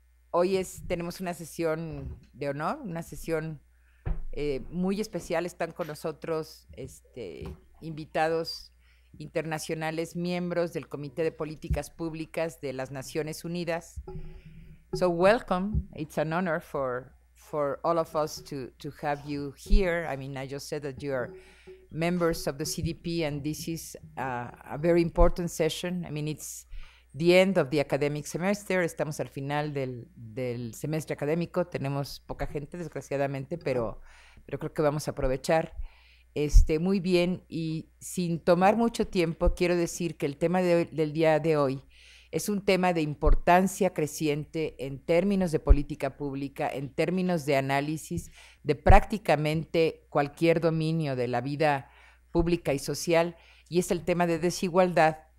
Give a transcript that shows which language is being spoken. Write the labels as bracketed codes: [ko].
[es] Hoy tenemos una sesión de honor, una sesión muy especial. Están con nosotros invitados internacionales, miembros del Comité de Políticas Públicas de las Naciones Unidas. [en] So welcome. It's an honor for all of us to have you here. I mean, I just said that you are members of the CDP, and this is a very important session. I mean, it's the end of the academic semester. [es] Estamos al final del semestre académico. Tenemos poca gente, desgraciadamente, pero creo que vamos a aprovechar muy bien. Y sin tomar mucho tiempo, quiero decir que el tema del día de hoy es un tema de importancia creciente en términos de política pública, en términos de análisis de prácticamente cualquier dominio de la vida pública y social, y es el tema de desigualdad.